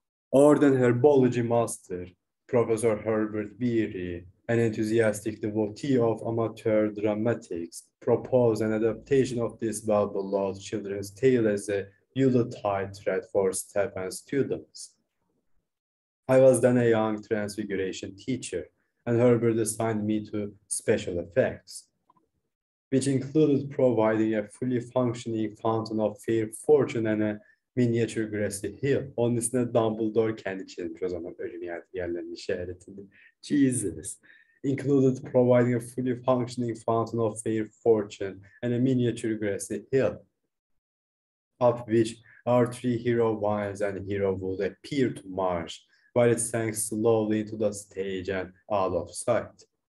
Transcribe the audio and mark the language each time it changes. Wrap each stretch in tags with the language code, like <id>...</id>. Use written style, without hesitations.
<en>Orden Herbology Master, Professor Herbert Beery, an enthusiastic devotee of amateur dramatics, proposed an adaptation of this well-beloved children's tale as a Yuletide thread for staff and students. I was then a young transfiguration teacher, and Herbert assigned me to special effects, which included providing a fully functioning fountain of fair fortune and a miniature grassy hill.</en> <tr>Onun üstüne Dumbledore kendi çizmiş o zaman ölüm yerlerinin işaretini.</tr> <en>Jesus. Included providing a fully functioning fountain of fair fortune and a miniature grassy hill, up which our three hero wives and hero would appear to march, while it sank slowly into the stage and out of sight.</en>